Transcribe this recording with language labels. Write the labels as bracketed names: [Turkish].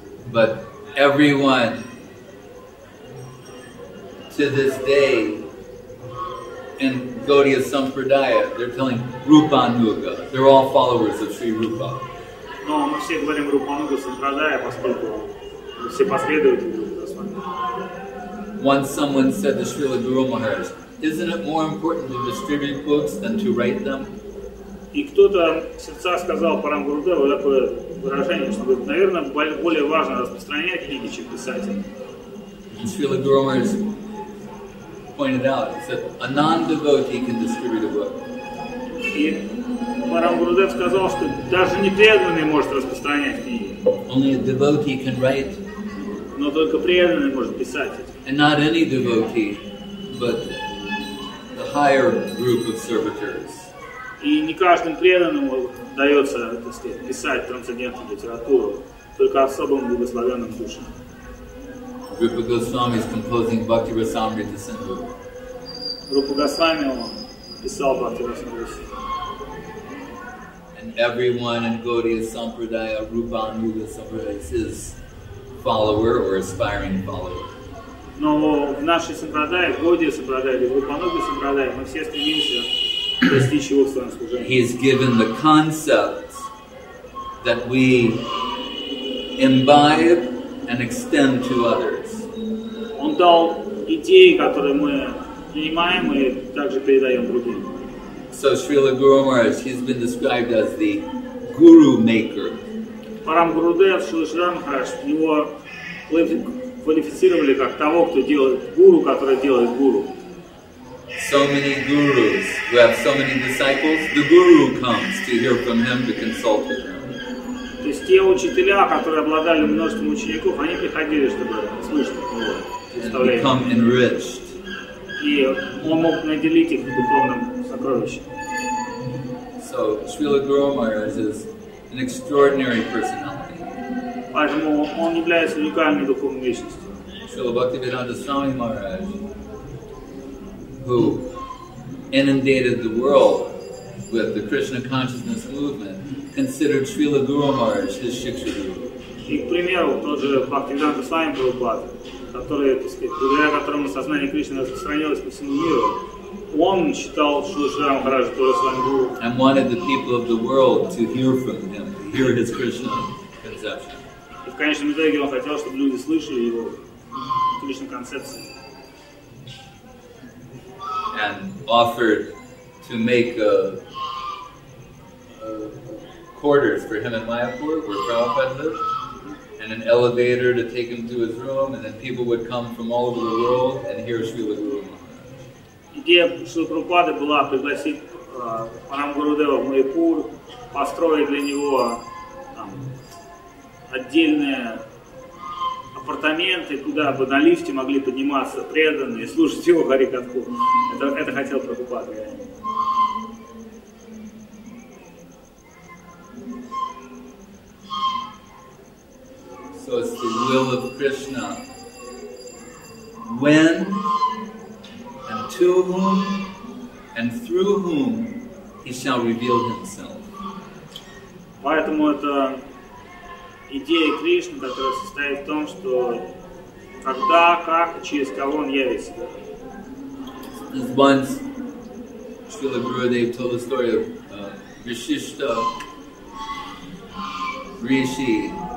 [English] But everyone to this day in Gaudiya Sampradaya, they're telling Rupanuga. They're all followers of Sri Rupa. [Russian] No, мы все говорим Рупануга Сампрадая, поскольку все последователи Рупануга. [English] Once someone said to Srila Guru Maharaj, isn't it more important to distribute books than to write them? [Russian] И кто-то сердца сказал Парам Гурудеву такое выражение, что говорит, наверное, более важно распространять книги, чем писать. [English] And Srila Guru Maharaj pointed out, he said, a non-devotee can distribute a book. [Russian] И Парам Гурудев сказал, что даже непреданный может распространять книги. [English] Only a devotee can write. [Russian] Но только преданный может писать. [English] And not any devotee, but the higher group of servitors. [Russian] И не каждому преданному дается, так сказать, писать трансцендентную литературу, только особым благословенным душам. [English] Rupa Goswami is composing Bhakti Rasamrita Sindhu. [Russian] Rupa Goswami писал Bhakti Rasamrita Sindhu. [English] And everyone in Gaudiya Sampradaya, Rupa Anuga Sampradaya, is his follower or aspiring follower. [Russian] Но в нашей Сампрадае, в Гаудия Сампрадае или в Рупа Ануга Сампрадае, мы все стремимся. [English] He is given the concept that we imbibe and extend to others. [Russian] Он дал идеи, которые мы принимаем и также передаем другим. [English] So Srila Guru Maharaj, he's been described as the guru maker. [Russian] Парам Гурудев, Шрила Шрила Махарадж, его квалифицировали как того, кто делает гуру, который делает гуру. [English] So many gurus who have so many disciples, the guru comes to hear from him, to consult with him. [Russian] То есть те учителя, которые обладали множеством учеников, они приходили, чтобы слышать от него. [English] And become enriched. [Russian] И он мог наделить их духовным сокровищем. [English] So Srila Guru Maharaj is an extraordinary personality. [Russian] Поэтому он является уникальной духовной личностью. [English] Srila Bhaktivedanta Swami Maharaj, who inundated the world with the Krishna consciousness movement, considered Srila Guru Maharaj his Shiksha Guru. [Russian] И, к примеру, тот же Бхактивинанта Свами Прабхупада, который, так сказать, благодаря которому сознание Кришны распространилось по всему миру, он считал Шрила Шрила Махараджа тоже своим гуру. [English] And wanted the people of the world to hear from him, to hear his Krishna conception. [Russian] И в конечном итоге он хотел, чтобы люди слышали его Кришна концепцию. [English] And offered to make quarters for him in Mayapur, where Prabhupada lived, and an elevator to take him to his room, and then people would come from all over the world and hear Srila Guru Maharaj. [Russian] Идея Шрилы Прабхупады была пригласить Парам Гурудева в Майпур, построить для него отдельные апартаменты, куда бы на лифте могли подниматься преданные, слушать его харикатху. Это хотел Прабхупада. [English] So it's the will of Krishna. When and to whom and through whom he shall reveal himself. [Russian] Поэтому это идея Кришны, которая состоит в том, что когда, как и через кого он явит себя. [English] As once Srila Gurudev told the story of Vishishta Rishi.